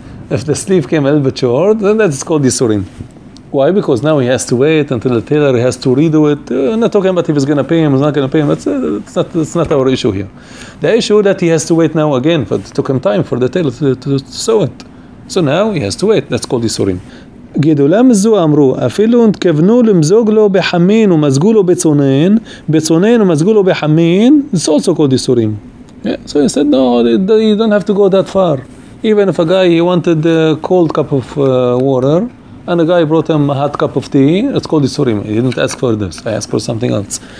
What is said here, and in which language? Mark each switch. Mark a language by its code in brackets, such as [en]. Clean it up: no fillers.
[en] If the sleeve came a little bit short, then that's called Yisurim. Why? Because now he has to wait until the tailor has to redo it. I'm not talking about if he's going to pay him, he's not going to pay him. That's not our issue here. The issue that he has to wait now again, but it took him time for the tailor to sew it. So now he has to wait. That's called Yisurim. [he] גדולם זו אמרו, אפילו נתכוונו למזוג לו בחמין ומזגו לו בצונן, בצונן ומזגו לו בחמין, [en] it's also called Yisurim. Yeah. So he said, no, you don't have to go that far. Even if a guy, he wanted a cold cup of water, and a guy brought him a hot cup of tea, it's called Yisurim. He didn't ask for this. I asked for something else.